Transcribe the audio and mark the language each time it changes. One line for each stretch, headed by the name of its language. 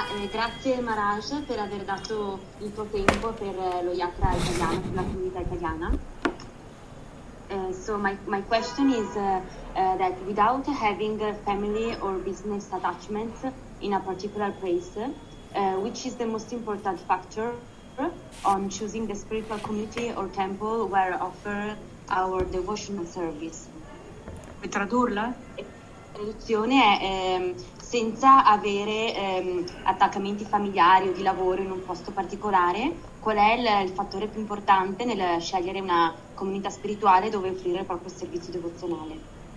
Italian: Grazie Maharaj per aver dato il tuo tempo per lo Yatra italiano, per la comunità italiana.
English: So my question is that without having a family or business attachments in a particular place, which is the most important factor on choosing the spiritual community or temple where offer our devotional service?
Italian: Per tradurla? La traduzione è senza avere attaccamenti familiari o di lavoro in un posto particolare, qual è il fattore più importante nel scegliere una comunità spirituale dove offrire il proprio servizio devozionale?